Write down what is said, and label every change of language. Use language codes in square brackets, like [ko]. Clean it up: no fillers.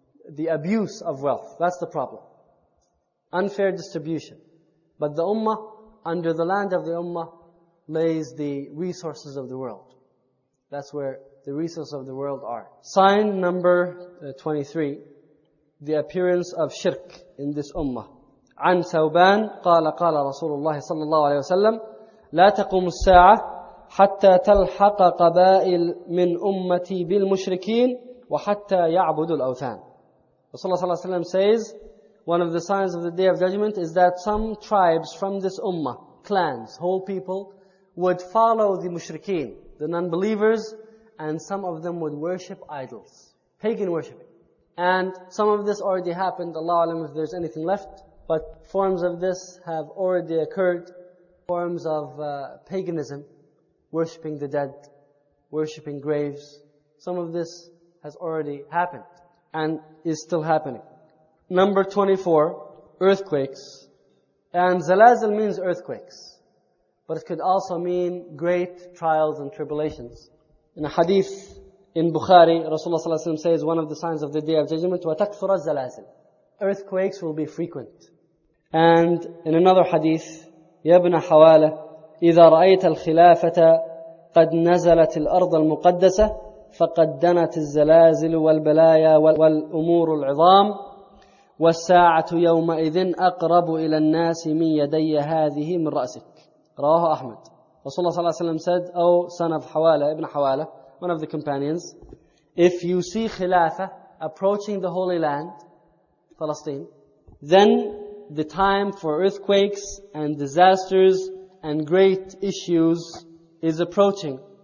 [en] The abuse of wealth. That's the problem. Unfair distribution. But the ummah, under the land of the ummah, lays the resources of the world. That's where the resources of the world are. Sign number 23, the appearance of shirk in this ummah. [ar] عن ثوبان قال قال رسول الله صلى الله عليه وسلم لا تقوم الساعة حتى تلحق قبائل من أمتي بالمشركين وحتى يعبدوا الأوثان. رسول الله صلى الله عليه وسلم [en] says, one of the signs of the Day of Judgment is that some tribes from this ummah, clans, whole people, would follow the mushrikeen, the non-believers, and some of them would worship idols, pagan worshiping. And some of this already happened, Allah alam if there's anything left, but forms of this have already occurred, forms of paganism, worshiping the dead, worshiping graves. Some of this has already happened and is still happening. Number 24, earthquakes. And zalazil means earthquakes, but it could also mean great trials and tribulations. In a hadith in Bukhari, Rasulullah ﷺ says one of the signs of the Day of Judgment, [ar] وَتَكْثُرَ الزَّلَازِلِ. [en] Earthquakes will be frequent. And in another hadith, [ar] يَبْنَ حَوَالَ إِذَا رَأَيْتَ الْخِلَافَةَ قَدْ نَزَلَتِ الْأَرْضَ الْمُقَدَّسَةِ فَقَدْ دَنَتِ الزَّلَازِلُ وَالْبَلَايَا وَالْأُمُورُ الْعِظَامُ وَالسَّاعَةُ يَوْمَئِذٍ أَقْرَبُ إِلَى النَّاسِ مِنْ يَدَيَّ هَذِهِ مِنْ رَأْسِكَ. رواه أحمد. [en] Rasulullah [ar] صلى الله عليه وسلم [en] said, oh son of Hawala, Ibn Hawala, one of the companions, if you see Khilafah approaching the Holy Land, Palestine, then the time for earthquakes and disasters and great issues is approaching.